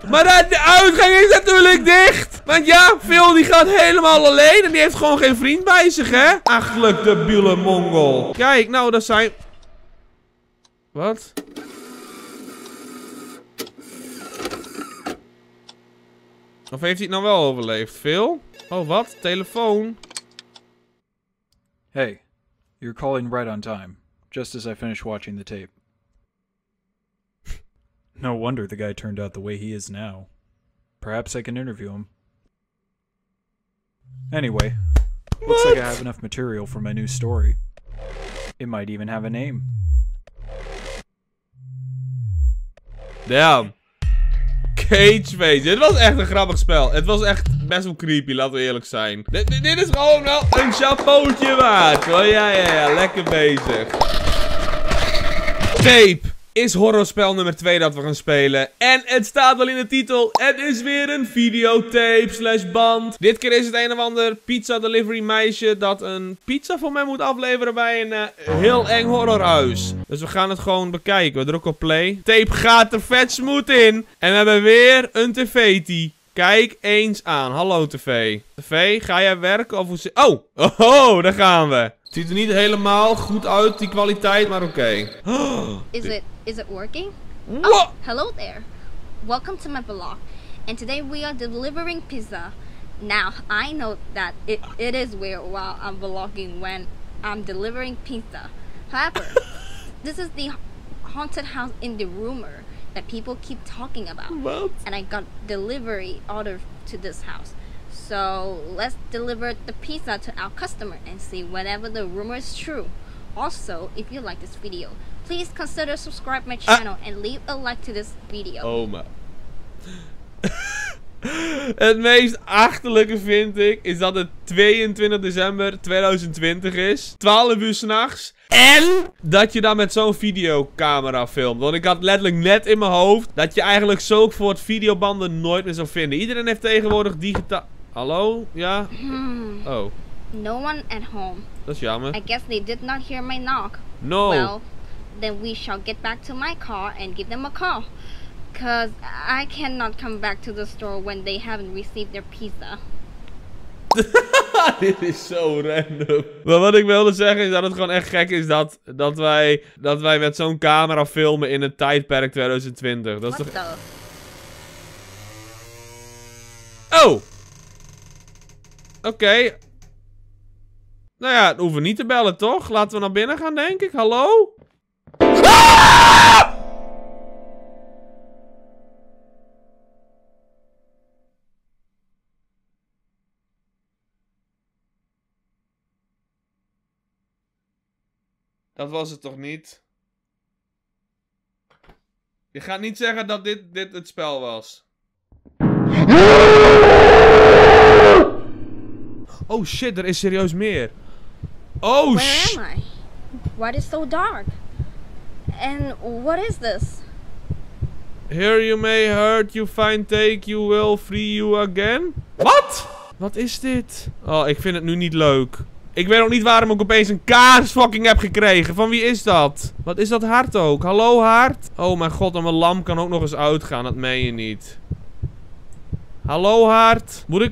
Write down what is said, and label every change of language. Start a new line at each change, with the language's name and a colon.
Dutch: Maar de uitgang is natuurlijk dicht! Want ja, Phil die gaat helemaal alleen en die heeft gewoon geen vriend bij zich, hè? Achtelijk debiele mongol. Kijk, nou, daar zijn... Wat? Of heeft hij het nou wel overleefd, Phil? Oh, wat? Telefoon?
English: Hey, you're calling right on time. Just as I finished watching the tape. No wonder the guy turned out the way he is now. Perhaps I can interview him. Anyway, looks like I have enough material for my new story. It might even have a name. Damn.
Dutch: Cageface, dit was echt een grappig spel. Het was echt best wel creepy, laten we eerlijk zijn. Dit is gewoon wel een chapeautje waard. Oh ja, ja, ja, lekker bezig. Tape is horrorspel nummer 2 dat we gaan spelen. En het staat wel in de titel. Het is weer een videotape / band. Dit keer is het een of ander pizza delivery meisje dat een pizza voor mij moet afleveren bij een heel eng horrorhuis. Dus we gaan het gewoon bekijken. We drukken op play. Tape gaat er vet smooth in. En we hebben weer een tv-tie. Kijk eens aan. Hallo tv. TV, ga jij werken of hoe zit... Oh! Oh, daar gaan we. Het ziet er niet helemaal goed uit, die kwaliteit, maar oké.
English: Is it working? Oh, hello there. Welcome to my vlog. And today we are delivering pizza. Now, I know that it is weird while I'm vlogging when I'm delivering pizza. However, this is the haunted house in the rumor that people keep talking about. What? And I got delivery order to this house. So let's deliver the pizza to our customer and see whenever the rumor is true. Also, if you like this video, please consider subscribe my channel and leave a like to this video. Oh my.
Dutch: Het meest achterlijke vind ik is dat het 22 december 2020 is, 12 uur 's nachts, en dat je dan met zo'n videocamera filmt. Want ik had letterlijk net in mijn hoofd dat je eigenlijk zulke soort videobanden nooit meer zou vinden. Iedereen heeft tegenwoordig digitaal... Hallo? Ja? Oh.
English: No one at home.
Dutch: Dat is jammer.
English: I guess they did not hear my knock. No. Well, then we shall get back to my car and give them a call. Because I cannot come back to the store when they haven't received their pizza.
Dutch: Dit is zo random. Maar wat ik wilde zeggen is dat het gewoon echt gek is dat wij met zo'n camera filmen in het tijdperk 2020. Dat is toch... Oh! Oké. Nou ja, dan hoeven we niet te bellen, toch? Laten we naar binnen gaan, denk ik. Hallo? Dat was het toch niet? Je gaat niet zeggen dat dit het spel was. Oh shit, er is serieus meer. Oh shit.
English: Where am I? What is so dark? And what is this? Here you may hurt you find take you will free you again.
Dutch: Wat? Wat is dit? Oh, ik vind het nu niet leuk. Ik weet ook niet waarom ik opeens een kaars fucking heb gekregen. Van wie is dat? Wat is dat hart ook? Hallo hart? Oh mijn god, en mijn lamp kan ook nog eens uitgaan. Dat meen je niet. Hallo hart?